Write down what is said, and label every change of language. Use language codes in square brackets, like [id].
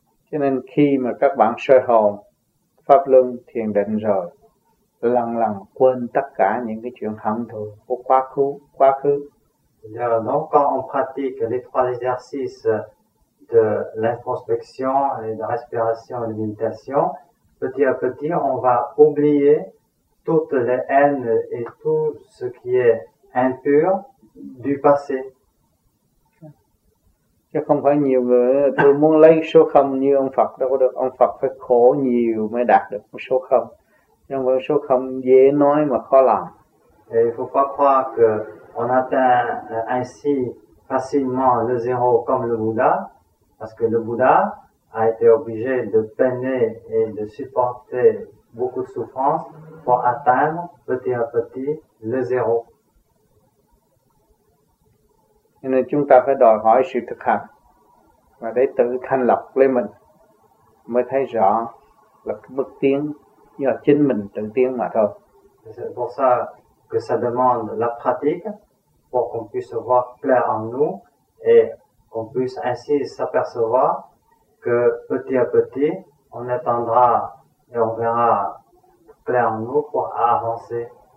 [vi] Cho nên khi mà các bạn soi hồn, pháp luân, thiền định rồi, lần lần quên tất cả những cái chuyện hận thù của quá khứ. [fr] Donc, quand on pratique les trois exercices de l'introspection et de respiration et de méditation, petit à petit, on va oublier toutes les haines et tout ce qui est impur du passé. [vi] Chứ không phải nhiều người, tôi muốn lấy số 0 như ông Phật đâu có được. Ông Phật phải khổ nhiều mới đạt được số 0. Nhưng mà số 0 dễ nói mà khó làm. [fr] Et il faut pas croire que on atteint ainsi facilement le zéro comme le Bouddha, parce que le Bouddha a été obligé de peiner et de supporter beaucoup de souffrances pour atteindre petit à petit le zéro. [vi] Nên chúng ta phải đòi hỏi sự thực hành và để tự thanh lọc lấy mình mới thấy rõ là bước tiến do chính mình tự tiến mà thôi. [fr] C'est pour ça que ça demande la pratique pour qu'on puisse voir clair en nous et qu'on puisse ainsi s'apercevoir que petit à petit, on attendra et on verra clair en nous pour avancer.